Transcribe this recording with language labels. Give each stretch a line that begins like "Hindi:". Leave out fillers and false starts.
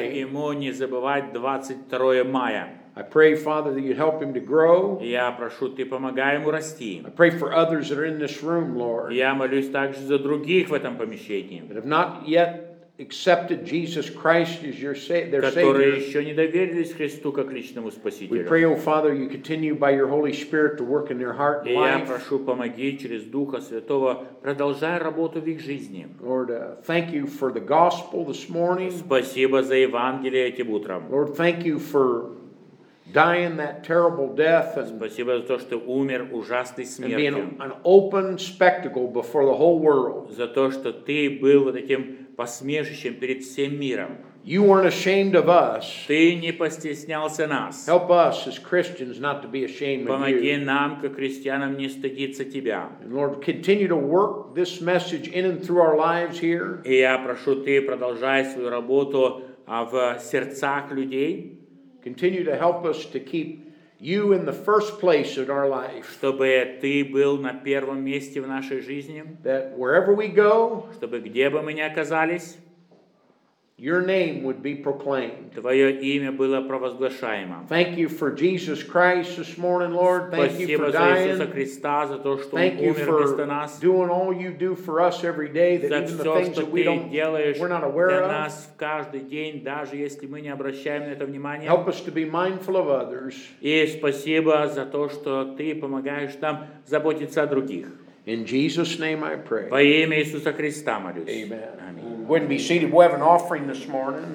Russian: Помоги ему не забывать 22 мая.
English: I pray, Father, that you help him to grow.
Russian: Я прошу, ты помогай ему расти.
English: I pray for others that are in this room, Lord.
Russian: Я молюсь также за других в этом помещении.
English: That have not yet accepted Jesus Christ as your their Savior.
Russian: Которые еще не доверились Христу как личному спасителю.
English: We pray, O Father, you continue by your Holy Spirit to work in their heart and life.
Russian: Я прошу, помоги через Духа Святого, продолжая работу в их жизни.
English: Lord, thank you for the gospel this morning.
Russian: Спасибо за Евангелие этим утром.
English: Lord, thank you for dying that terrible death and,
Russian: спасибо за то, что умер ужасной смертью,
English: and being an open spectacle before the whole world.
Russian: За то, что ты был вот этим посмешищем перед всем миром.
English: You weren't ashamed of us.
Russian: Ты не постеснялся нас.
English: Help us as Christians not to be ashamed of you.
Russian: Помоги нам, как христианам, не стыдиться тебя.
English: And Lord, continue to work this message in and through our lives here.
Russian: И я прошу, ты продолжай свою работу в сердцах людей.
English: Continue to help us to keep you in the first place in our life.
Russian: Чтобы ты был на первом месте в нашей жизни.
English: That wherever we go,
Russian: чтобы где бы мы ни оказались,
English: your name would be proclaimed.
Russian: Твое имя было провозглашаемо.
English: Thank you for Jesus Christ this morning, Lord. Thank you for dying.
Russian: Спасибо за Иисуса Христа, за то, что Он умер вместо нас.
English: Doing all you do for us every day, that even the things that we don't, we're not aware of.
Russian: Для нас каждый день, даже если мы не обращаем на это внимания.
English: Help us to be mindful of others.
Russian: И спасибо за то, что ты помогаешь нам заботиться о других.
English: In Jesus' name I pray.
Russian: Во имя Иисуса Христа молюсь.
English: Amen. Amen. Wouldn't be seated. We have an offering this morning.